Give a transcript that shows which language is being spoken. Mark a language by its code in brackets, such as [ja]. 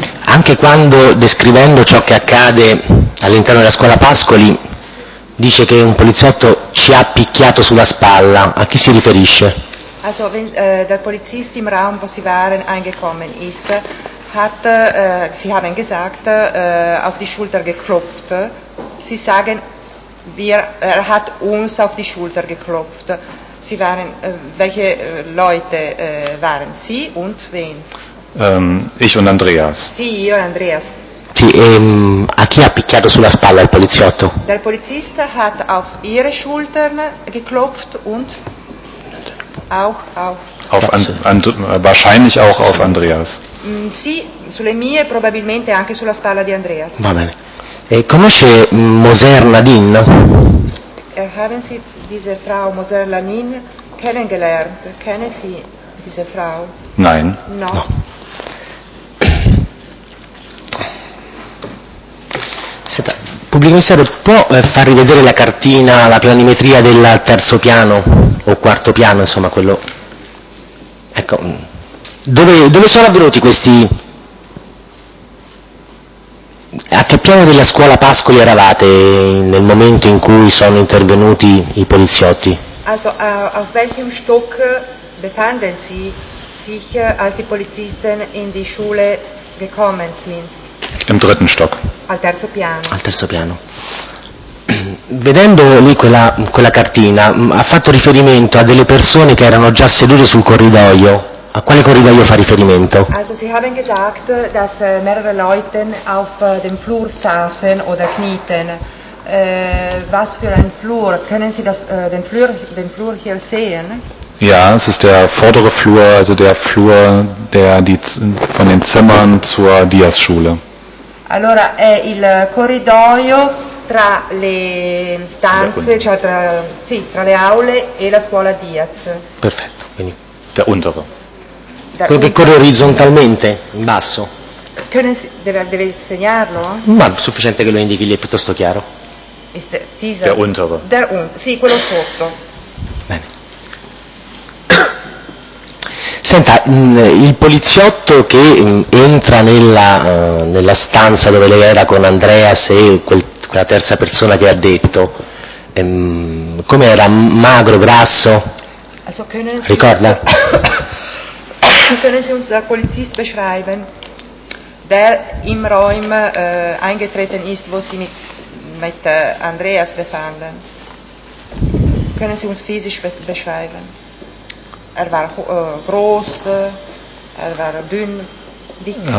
[it] Anche quando, descrivendo ciò che accade all'interno della scuola Pascoli, dice che un poliziotto ci ha picchiato sulla spalla, a chi si riferisce? [de] Also, wenn der Polizist im Raum, wo Sie waren, eingekommen ist, hat, Sie haben gesagt, auf die Schulter geklopft. Sie sagen, er hat uns auf die Schulter geklopft. Sie waren, welche Leute waren Sie und wen? Ich und Andreas. [it] Sì, io e Andreas. Sì, a chi ha picchiato sulla spalla il poliziotto? [de] Der Polizist hat auf ihre Schultern geklopft und auch auf wahrscheinlich auch auf Andreas. [it] Sì, sulle mie probabilmente anche sulla spalla di Andreas. Va bene. Conosce Moser Ladin? [de] Haben Sie diese Frau Moser Ladin kennengelernt? Kennen Sie diese Frau? Nein. [it] No. No. Senta, pubblico ministero, può far rivedere la cartina, la planimetria del terzo piano o quarto piano, insomma, quello. Ecco. Dove sono avvenuti questi? A che piano della scuola Pascoli eravate nel momento in cui sono intervenuti i poliziotti? [de] Also, auf welchem Stock befanden Sie sich, als die Polizisten in die Schule gekommen sind? Im dritten Stock. [it] Al terzo piano. Al terzo piano. Vedendo lì quella cartina, ha fatto riferimento a delle persone che erano già sedute sul corridoio. A quale corridoio fa riferimento? [de] Also, Sie haben gesagt, dass mehrere Leute auf dem Flur saßen oder knieten. Was für ein Flur? Können Sie den Flur hier sehen? Ja, es ist der vordere Flur, also der Flur, der die von den Zimmern zur Diaz-Schule. [it] Allora, è il corridoio tra le stanze, cioè tra le aule e la scuola Diaz. Perfetto, quindi [de] da untere. [it] Quello che corre orizzontalmente, in basso. Deve segnarlo? Ma è sufficiente che lo indichi lì, è piuttosto chiaro. [de] Der untere. [it] Sì, quello sotto. Bene. Senta, il poliziotto che entra nella stanza dove lei era con Andreas e quella terza persona che ha detto, come era? Magro, grasso? [de] Also, [it] ricorda? [de] Können Sie uns der Polizist beschreiben, der im Raum eingetreten ist, wo Sie mit Andreas befanden? Können Sie uns physisch beschreiben? Er war groß, er war dünn, dick.